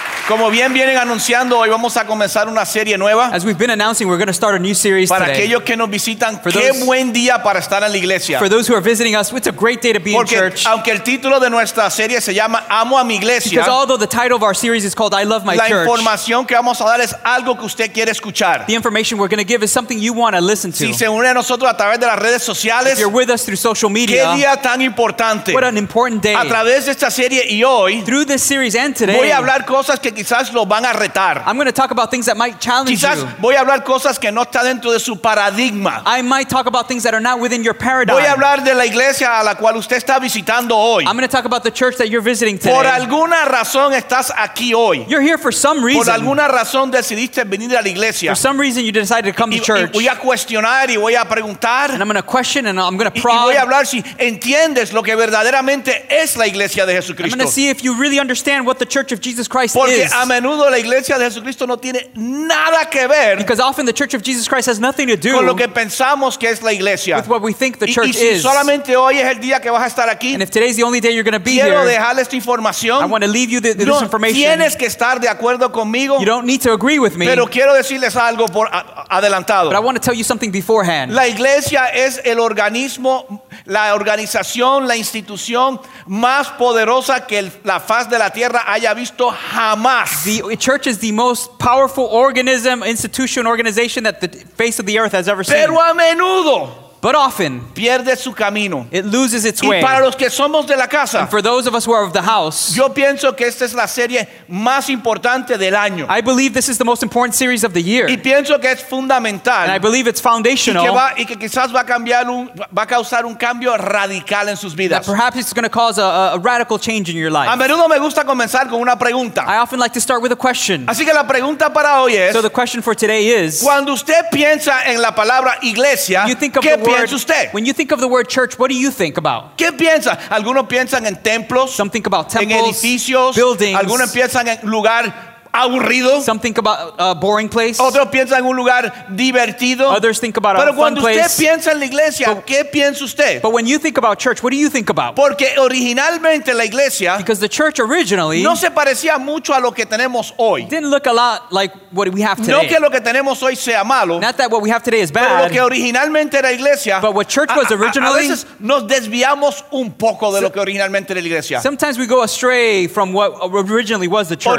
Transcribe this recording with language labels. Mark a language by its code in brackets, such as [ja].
[es] Como bien vienen anunciando, hoy vamos a comenzar una serie nueva. [en] As we've been announcing, we're going to start a new series [es] para [en] today. [es] Para aquellos que nos visitan, [en] those, [es] qué buen día para estar en la iglesia. [en] For those who are visiting us, it's a great day to be [es] porque, [en] in church. [es] Porque aunque el título de nuestra serie se llama Amo a mi iglesia, [en] because although the title of our series is called I Love My [es] la [en] Church, [es] la información que vamos a dar es algo que usted quiere escuchar. [en] The information we're going to give is something you want to listen to. [es] Si se une a nosotros a través de las redes sociales, [en] if you're with us through social media, [es] qué día tan importante. [en] What an important day. [es] A través de esta serie y hoy, [en] through this series and today, [es] voy a hablar cosas que quizás lo van a retar. [en] I'm going to talk about things that might challenge [es] quizás [en] you. [es] Voy a hablar cosas que no está dentro de su paradigma. [en] I might talk about things that are not within your paradigm. [es] Voy a hablar de la iglesia a la cual usted está visitando hoy. [en] I'm going to talk about the church that you're visiting today. [es] Por alguna razón estás aquí hoy. [en] You're here for some reason. [es] Por alguna razón decidiste venir a la iglesia. [en] For some reason you decided to come [es] y, [en] to church. [es] Y voy a cuestionar y voy a preguntar. [en] And I'm going to question and I'm going to prod. [es] Y voy a hablar si entiendes lo que verdaderamente es la iglesia de Jesucristo. [en] I'm going to see if you really understand what the church of Jesus Christ [es] porque [en] is. [es] A menudo la iglesia de Jesucristo no tiene nada que ver [en] because often the church of Jesus Christ has nothing to do [es] con lo que pensamos que es la iglesia [en] with what we think the church [es] y si [en] is. [es] Solamente hoy es el día que vas a estar aquí [en] and if today's the only day you're going to be [es] quiero [en] here, [es] dejar esta información [en] I want to leave you this information [es] tienes que estar de acuerdo conmigo [en] you don't need to agree with me [es] pero quiero decirles algo por adelantado [en] but I want to tell you something beforehand [es] la iglesia es el organismo la organización la institución más poderosa que la faz de la tierra haya visto jamás [en] The church is the most powerful organism, institution, organization that the face of the earth has ever seen. [es] Pero a menudo. [en] But often, [es] pierde su camino. [en] It loses its [es] y [en] way. [es] Para los que somos de la casa, [en] and for those of us who are of the house, [es] yo pienso que esta es la serie más importante del año. [en] I believe this is the most important series of the year. [es] Y pienso que es fundamental. [en] And I believe it's foundational. [es] Y que, va, y que quizás va a cambiar un, va a causar un cambio radical en sus vidas. [en] That perhaps it's going to cause a radical change in your life. [es] A menudo me gusta comenzar con una pregunta. [en] I often like to start with a question. [es] Así que la pregunta para hoy es, [en] so the question for today is, [es] cuando usted piensa en la palabra iglesia, [en] you think of when you think of the word church, what do you think about? [es] ¿Qué piensa? Algunos piensan en templos, [en] some think about temples, [es] en edificios, [en] buildings. [es] Algunos piensan en lugar aburrido. [en] Some think about a boring place. [es] Otros piensan en un lugar divertido. [en] Others think about [es] pero [en] a fun place. [es] Pero cuando usted piensa en la iglesia, [en] but, [es] ¿qué piensa usted? [en] But when you think about church, what do you think about? [es] Porque originalmente la iglesia [en] because the church originally [es] no se parecía mucho a lo que tenemos hoy. [en] Didn't look a lot like what we have today. [es] No que lo que tenemos hoy sea malo. [en] Not that what we have today is bad. [es] Pero lo que originalmente era iglesia [en] but what church was originally [es] a veces nos desviamos un poco de lo que originalmente era la iglesia. [en] Sometimes we go astray from what originally was the church.